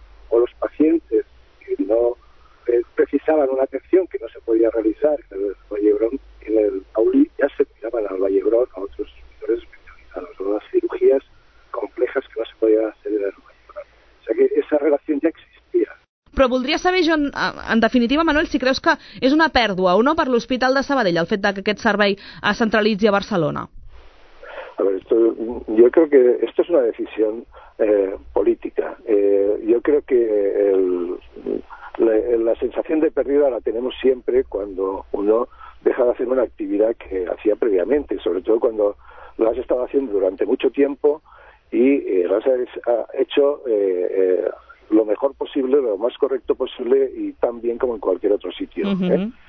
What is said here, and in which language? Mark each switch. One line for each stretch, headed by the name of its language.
Spanish: O los pacientes que no precisaban una atención que no se podía realizar en el Valle Hebrón, en el Taurí ya se miraban al Valle Hebrón, a otros sectores especializados, o las cirugías complejas que no se podían hacer en el Valle Hebrón. O sea que esa relación ya existía.
Catalan: Però voldria saber, Joan, en definitiva, Manuel, si creus que és una pèrdua o no per l'Hospital de Sabadell el fet que aquest servei es centralitzi a Barcelona.
Spanish: A ver, yo creo que esto es una decisión política. Yo creo que la sensación de pérdida la tenemos siempre cuando uno deja de hacer una actividad que hacía previamente, sobre todo cuando lo has estado haciendo durante mucho tiempo y lo has hecho lo mejor posible, lo más correcto posible y tan bien como en cualquier otro sitio. Uh-huh.